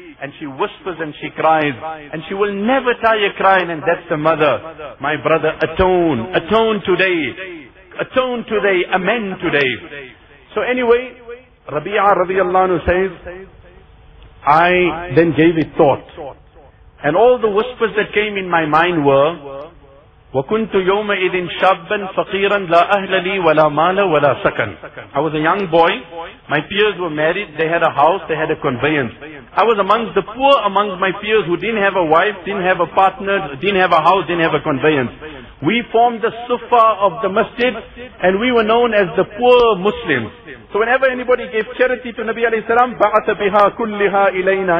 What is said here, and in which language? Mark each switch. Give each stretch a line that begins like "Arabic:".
English: And she whispers and she cries. And she will never tire crying. And that's the mother. My brother, atone. Atone today. Atone today. Amen today. So anyway, Rabi'a radiallahu anhu says, I then gave it thought. And all the whispers that came in my mind were,
Arabic: وَكُنْتُ يَوْمَ إِذٍ شَابًا فَقِيرًا لَا أَهْلَ لِي وَلَا مَالَ وَلَا سَكَنْ.
English: I was a young boy. My peers were married. They had a house. They had a conveyance. I was amongst the poor amongst my peers who didn't have a wife, didn't have a partner, didn't have a house, didn't have a conveyance. We formed the suffa of the masjid and we were known as the poor Muslims. So whenever anybody gave charity to Nabi alayhi salam,
Arabic: بَعَثَ بِهَا كُلِّهَا إِلَيْنَا.